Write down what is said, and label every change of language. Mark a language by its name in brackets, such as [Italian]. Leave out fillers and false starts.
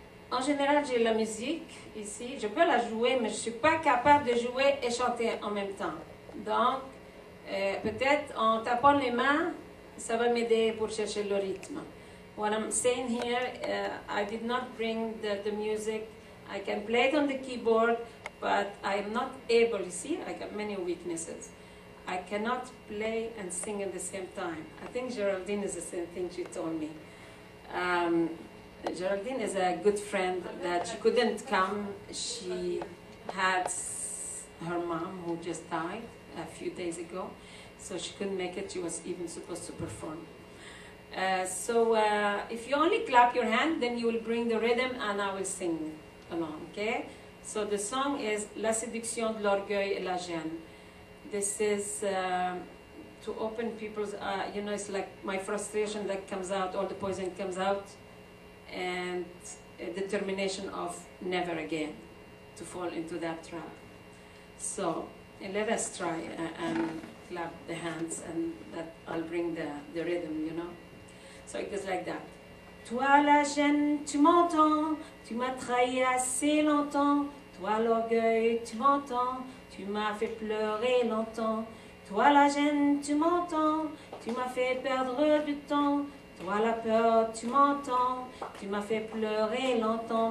[French] En général, j'ai la musique ici. Je peux la jouer, mais je ne suis pas capable de jouer et chanter en même temps. Donc, peut-être en tapant les mains, ça va m'aider pour chercher le rythme. [English] What I'm saying here, I did not bring the music. I can play it on the keyboard, but I'm not able, you see, I got many weaknesses. I cannot play and sing at the same time. I think Geraldine is the same thing she told me. Geraldine is a good friend that she couldn't come. She had her mom who just died a few days ago. So she couldn't make it, she was even supposed to perform. If you only clap your hand, then you will bring the rhythm and I will sing along, okay? So the song is La Séduction de l'Orgueil et la Gêne. This is to open people's, you know, it's like my frustration that comes out, all the poison comes out, and a determination of never again to fall into that trap. So let us try and clap the hands, and that I'll bring the rhythm, you know. So it goes like that. [French] Toi la gêne, tu m'entends, tu m'as trahi assez longtemps. Toi l'orgueil, tu m'entends, tu m'as fait pleurer longtemps. Toi la gêne, tu m'entends, tu m'as fait perdre du temps. Toi la peur, tu m'entends, tu m'as fait pleurer longtemps.